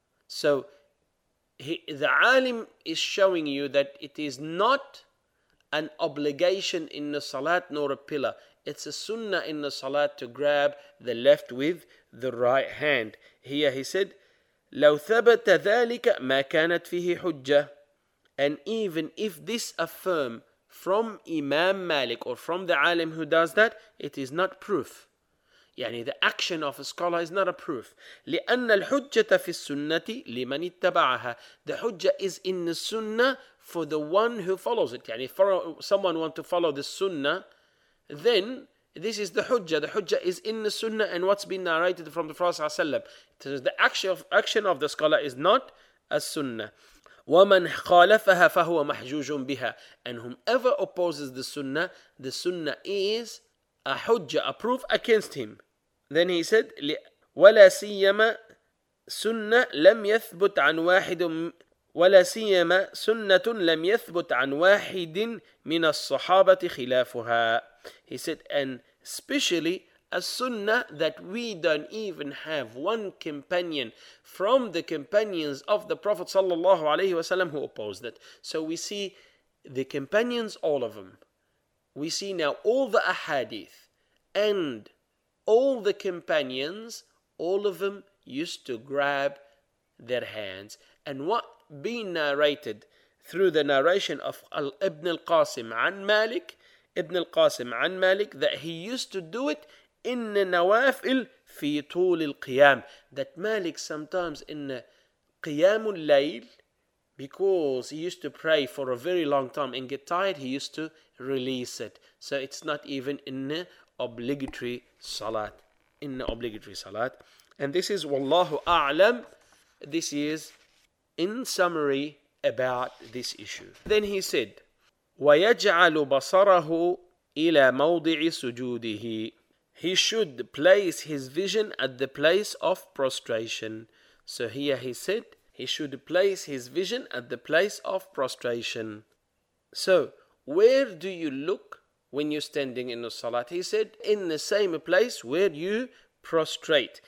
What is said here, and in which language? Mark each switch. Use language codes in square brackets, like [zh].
[en] So the alim is showing you that it is not an obligation in the salat nor a pillar. It's a sunnah in the salat to grab the left with the right hand. Here he said, [ar] لو ثبت ذلك ما كانت فيه حجة. [en] And even if this affirm from Imam Malik or from the alim who does that, it is not proof. يعني the action of a scholar is not a proof. [ar] لأن الحجة في السنة لمن اتبعها. [en] The hujjah is in the sunnah for the one who follows it. يعني if someone want to follow the sunnah, then this is the hujjah. The hujjah is in the sunnah and what's been narrated from the Prophet [ar] صلى الله عليه وسلم. [en] The action of the scholar is not a sunnah. [ar] وَمَنْ خَالَفَهَا فَهُوَ مَحْجُوجٌ بِهَا. [en] And whomever opposes the sunnah is a hujjah, a proof against him. Then he said, [ar] وَلَا سِيَّمَا سُنَّةٌ لَمْ يَثْبُتْ عَنْ وَاحِدٌ وَلَا سِيَّمَا سُنَّةٌ لَمْ يَثْبُتْ عَنْ وَاحِدٍ مِنَ الصَّحَابَةِ خِلَافُهَا. [en] He said, and especially a sunnah that we don't even have one companion from the companions of the Prophet sallallahu alayhi wa sallam who opposed it. So we see the companions, all of them. We see now all the ahadith and all the companions, all of them used to grab their hands. And what being narrated through the narration of Ibn al-Qasim an Malik, Ibn al-Qasim an Malik, that he used to do it in the nawafil fi tul al-qiyam. That Malik sometimes in qiyam al-layl, because he used to pray for a very long time and get tired, he used to release it. So it's not even in obligatory salat. In obligatory salat. And this is, wallahu a'lam, this is in summary about this issue. Then he said, [ar] وَيَجْعَلُ بَصَرَهُ إِلَى مَوْضِعِ سُجُودِهِ. [en] He should place his vision at the place of prostration. So here he said, he should place his vision at the place of prostration. So, where do you look when you're standing in the salat? He said, in the same place where you prostrate.